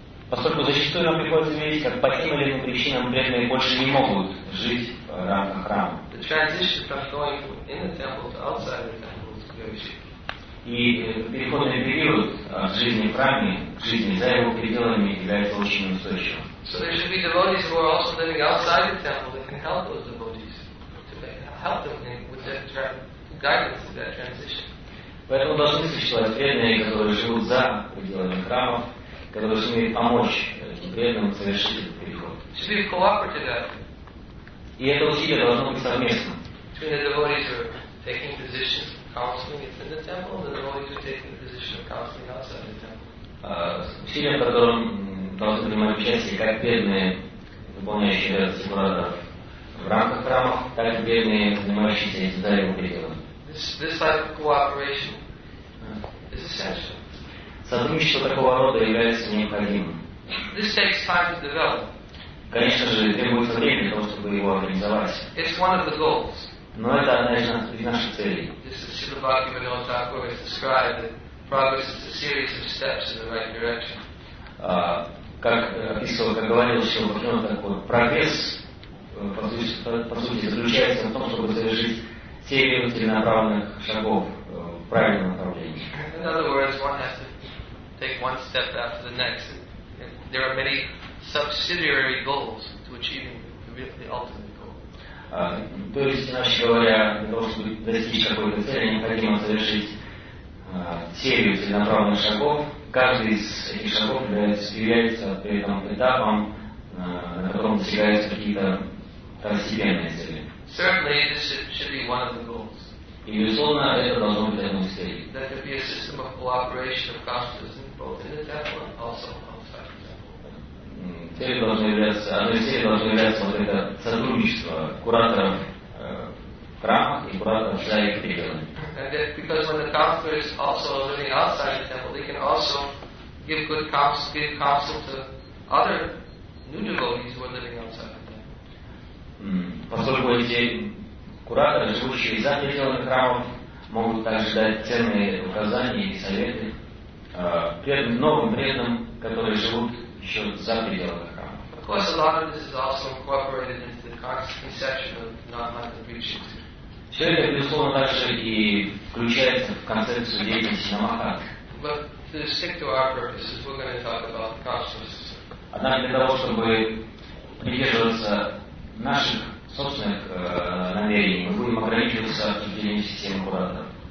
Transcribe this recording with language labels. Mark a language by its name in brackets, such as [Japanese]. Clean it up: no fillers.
[Russian] Поскольку зачастую нам приходится видеть, как по тем или иным причинам преданные больше не могут жить в рамках храма. [English] The transition from going in the temple to outside the temple is very short. [Russian] И переходный период жизни в храме к жизни за его пределами является очень устойчивым. [English] So there should be devotees who are also living outside the temple that can help those devotees to help them with that guidance of that transition. [Russian] Поэтому должны существовать преданные, которые живут за пределами храмов, которые должны помочь преданным совершить этот переход. [English] Should be cooperative. [Russian] И это усилие должно быть совместно. [English] Between the devotees who are taking positions of counseling within the temple, the devotees who are taking the position of counseling outside the temple. [Russian] Усилием, которым должны принимать участие как преданные, выполняющие обязанности куратора в рамках храмов, так и преданные, занимающиеся за его пределами. [English] This type of cooperation is essential. [Russian] Сотрудничество такого рода является необходимым. [English] This takes time to develop. [Russian] Конечно же, требуется время для того, чтобы его организовать. [English] It's one of the goals. [Russian] Но это одна из наших целей. [English] This is Srila Bhaktivinoda Thakur has described that progress is a series of steps in the right direction. [Russian] Как говорил Srila Bhaktivinoda Thakur, прогресс по сути заключается в том, чтобы завершить серию целенаправленных шагов в правильном направлении. [English] In other words, one has to take one step after the next. There are many subsidiary goals to achieving the ultimate goal. [Russian] То есть, иначе говоря, для того, чтобы достичь какой-то цели, необходимо завершить серию целенаправленных шагов. Каждый из этих шагов является при этом этапом, на котором достигаются какие-то второстепенные цели. [English] Certainly, this should be one of the goals. [Russian] Безусловно, это должно быть одной из целей. [English] That there be a system of cooperation of consciousness both in the temple and also outside the temple. [Russian] Одной из целей должно являться вот это сотрудничество кураторов храма и кураторов за их пределами. [English] Because when the counselor is also living outside the temple, they can also give good counsel, give counsel to other new devotees who are living outside the temple. [Russian] Поскольку эти кураторы, живущие за пределами храмов, могут также дать ценные указания и советы преданным, новым преданным, которые живут еще за пределами храма. [English] Of course, a lot of this is also incorporated into the conception of non-Mata Bhikshu. [Russian] Все это, безусловно, также и включается в концепцию деятельности Намахат. [English] But to stick to our purposes, we're going to talk about the consciousness. [Russian] Однако для того, чтобы придерживаться наших собственных намерений, мы будем ограничиваться обсуждением системы Курата.